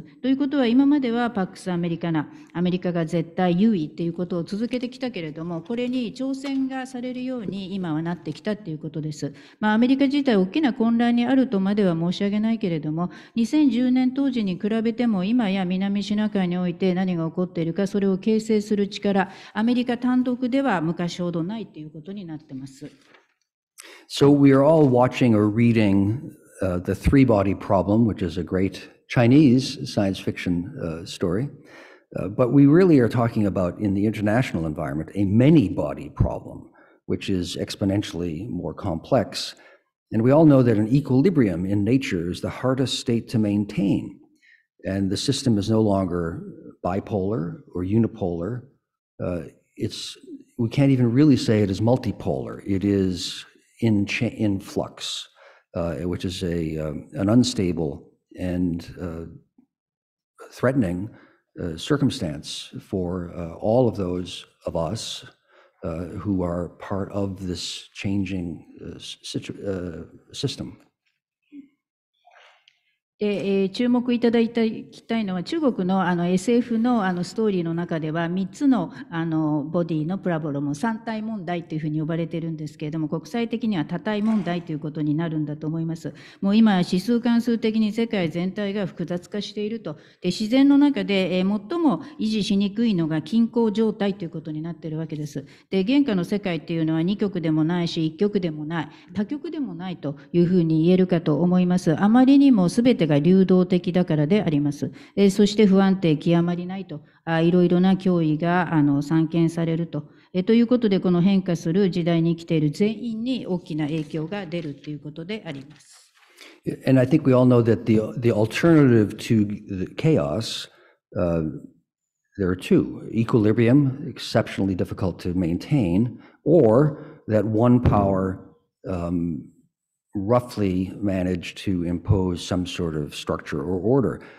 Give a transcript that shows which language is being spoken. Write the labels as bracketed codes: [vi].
[ja] ということは今まではパックスアメリカナ、アメリカが絶対優位ということを続けてきたけれども、これに挑戦がされるように今はなってきたということです。まあ、アメリカ自体大きな混乱にあるとまでは申し上げないけれども、2010年当時に比べても今や南シナ海において何が起こっているか、それを形成する力、アメリカ単独では昔ほどないということになってます。 [en] So we are all watching or reading the three body problem, which is a great Chinese science fiction story, but we really are talking about in the international environment a many body problemwhich is exponentially more complex. And we all know that an equilibrium in nature is the hardest state to maintain. And the system is no longer bipolar or unipolar. We can't even really say it is multipolar. It is in flux, which is an unstable and threatening circumstance for all of those of us who are part of this changing system. [ja] 注目いただきたいのは中国 の, SF の, ストーリーの中では3つ の, ボディのプラブロム、三体問題というふうに呼ばれているんですけれども、国際的には多体問題ということになるんだと思います。もう今指数関数的に世界全体が複雑化していると。で自然の中で最も維持しにくいのが均衡状態ということになっているわけです。で現下の世界というのは2極でもないし1極でもない、多極でもないというふうに言えるかと思います。あまりにも全てが流動的だからであります。そして不安定極まりないと、いろいろな脅威が散見されると、ということでこの変化する時代に生きている全員に大きな影響が出るということであります。 [en] And I think we all know that the alternative to the chaos, there are two: equilibrium, exceptionally difficult to maintain, or that one power roughly managed to impose some sort of structure or order.